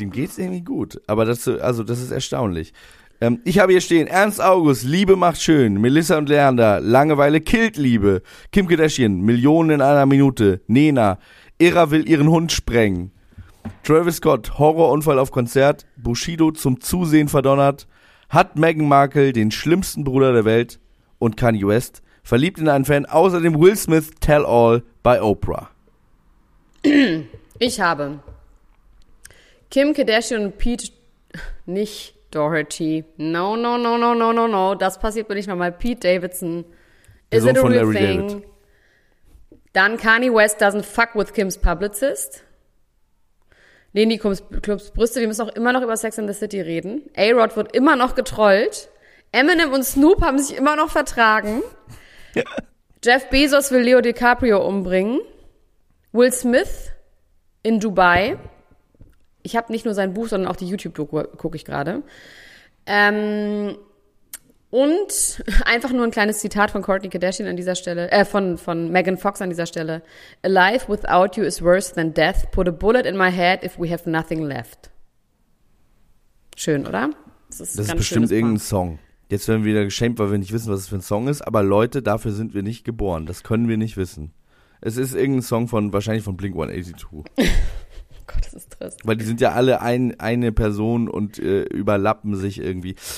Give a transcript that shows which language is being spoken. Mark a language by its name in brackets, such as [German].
[German] Dem geht's irgendwie gut, aber das ist erstaunlich. Ich habe hier stehen, Ernst August, Liebe macht schön, Melissa und Leander, Langeweile killt Liebe, Kim Kardashian, Millionen in einer Minute, Nena, Ira will ihren Hund sprengen, Travis Scott, Horrorunfall auf Konzert, Bushido zum Zusehen verdonnert, hat Meghan Markle den schlimmsten Bruder der Welt und Kanye West, verliebt in einen Fan, außerdem Will Smith, Tell All bei Oprah. Ich habe Kim Kardashian und Pete nicht Doherty. [English] No, no, no, no, no, no, no. [German] Das passiert mir nicht nochmal. Pete Davidson. [English] Is it a real thing? Dann Kanye West doesn't fuck with Kim's publicist. [German] Leni Klums Brüste. Wir müssen auch immer noch über Sex in the City reden. A-Rod wird immer noch getrollt. Eminem und Snoop haben sich immer noch vertragen. Jeff Bezos will Leo DiCaprio umbringen. Will Smith in Dubai. Ich habe nicht nur sein Buch, sondern auch die YouTube-Doku gucke ich gerade. Und einfach nur ein kleines Zitat von Kourtney Kardashian an dieser Stelle, von Megan Fox an dieser Stelle. [English] A life without you is worse than death. Put a bullet in my head if we have nothing left. [German] Schön, oder? Das ist bestimmt irgendein Song. Jetzt werden wir wieder geschämt, weil wir nicht wissen, was es für ein Song ist. Aber Leute, dafür sind wir nicht geboren. Das können wir nicht wissen. Es ist irgendein Song wahrscheinlich von Blink-182. Gott, das ist trist. Weil die sind ja alle eine Person und überlappen sich irgendwie.